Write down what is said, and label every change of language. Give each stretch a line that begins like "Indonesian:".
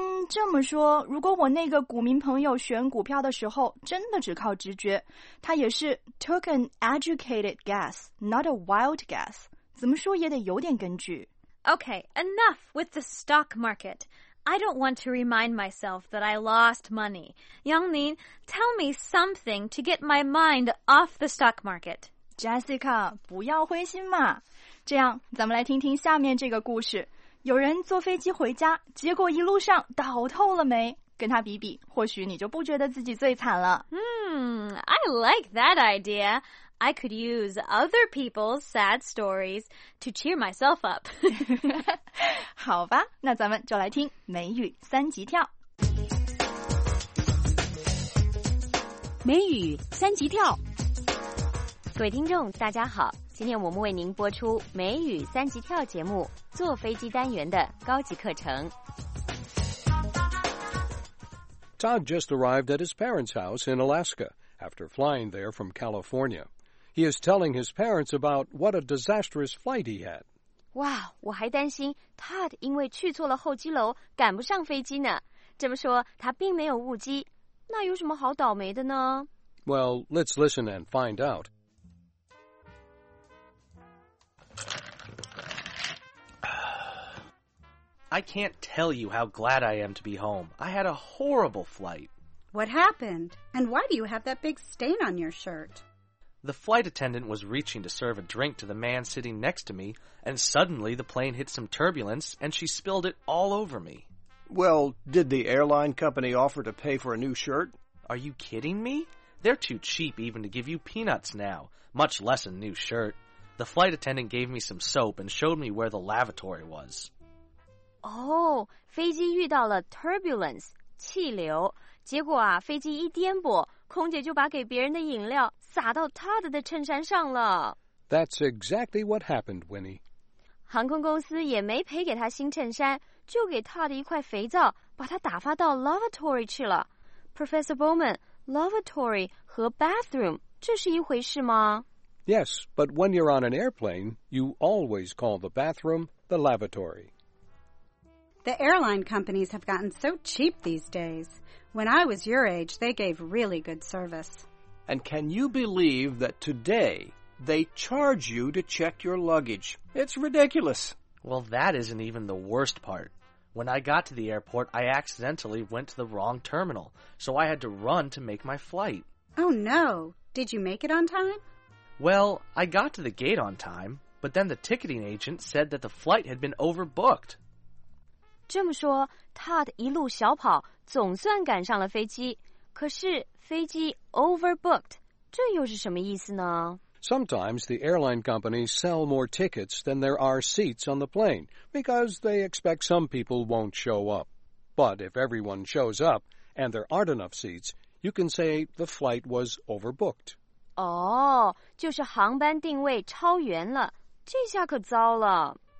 Chinese: 这么说，如果我那个股民朋友选股票的时候真的只靠直觉，他也是
English: took an educated guess, not a wild guess,
Chinese: 怎么说也得有点根据。
English: Okay, enough with the stock market. I don't want to remind myself that I lost money. Yangning, tell me something to get my mind off the stock market.
Chinese: Jessica, 不要灰心嘛。这样，咱们来听听下面这个故事。有人坐飞机回家，结果一路上倒透了霉。跟他比比，或许你就不觉得自己最惨了。
English: I like that idea. I could use other people's sad stories to cheer myself up.
Chinese: 好吧，那咱们就来听美语三级跳。美语三级跳。各位听众，大家好。今天我们为您播出美语三级跳节目坐飞机单元的高级课程。
English: Todd just arrived at his parents' house in Alaska after flying there from California. He is telling his parents about what a disastrous flight he had.
Chinese: 哇，我还担心 Todd 因为去错了候机楼赶不上飞机呢。这么说他并没有误机，那有什么好倒霉的呢？
English: Well, let's listen and find out. I can't tell you how glad I am to be home. I had a horrible flight. What happened? And why do you have that big stain on your shirt? The flight attendant was reaching to serve a drink to the man sitting next to me, and suddenly the plane hit some turbulence, and she spilled it all over me. Well, did the airline company offer to pay for a new shirt? Are you kidding me? They're too cheap even to give you peanuts now, much less a new shirt. The flight attendant gave me some soap and showed me where the lavatory was.
Chinese: Oh, 飞机遇到了 turbulence, 气流。结果啊，飞机一颠簸，空姐就把给别人的饮料洒到 Todd 的衬衫上了。
English: That's exactly what happened, Winnie.
Chinese: 航空公司也没赔给他新衬衫，就给 Todd 一块肥皂，把他打发到 lavatory 去了。 Professor Bowman, lavatory 和 bathroom, 这是一回事吗？
English: Yes, but when you're on an airplane, you always call the bathroom the lavatory. The airline companies have gotten so cheap these days. When I was your age, they gave really good service. And can you believe that today they charge you to check your luggage? It's ridiculous. Well, that isn't even the worst part. When I got to the airport, I accidentally went to the wrong terminal, so I had to run to make my flight. Oh no! Did you make it on time? Well, I got to the gate on time, but then the ticketing agent said that the flight had been overbooked.
Chinese: 这么说 ,Todd 一路小跑总算赶上了飞机。可是飞机 overbooked, 这又是什么意思呢？
English: Sometimes the airline companies sell more tickets than there are seats on the plane, because they expect some people won't show up. But if everyone shows up, and there aren't enough seats, you can say the flight was overbooked.
Chinese: 哦，就是航班定位超员了，这下可糟了。